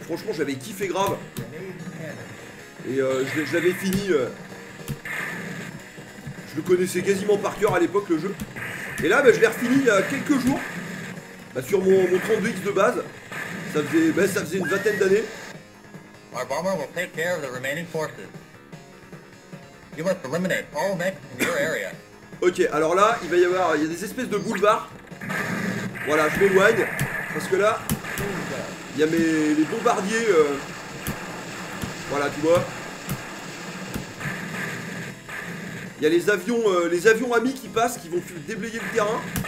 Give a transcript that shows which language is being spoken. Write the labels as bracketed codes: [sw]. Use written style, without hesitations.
[fr] Franchement, je l'avais kiffé grave. Et je l'avais fini. Je le connaissais quasiment par cœur à l'époque, le jeu. Et là, bah, je l'ai refini il y a quelques jours. Bah, sur mon 32X de base. Ça faisait, bah, une vingtaine d'années. [en] Our bomber will take care of the remaining forces. You must eliminate all mechs in your area. [fr] Ok, alors là, il va y avoir des espèces de boulevards. Voilà, je m'éloigne. Parce que là, il y a les bombardiers. Voilà, tu vois. Il y a les avions amis qui passent, qui vont déblayer le terrain.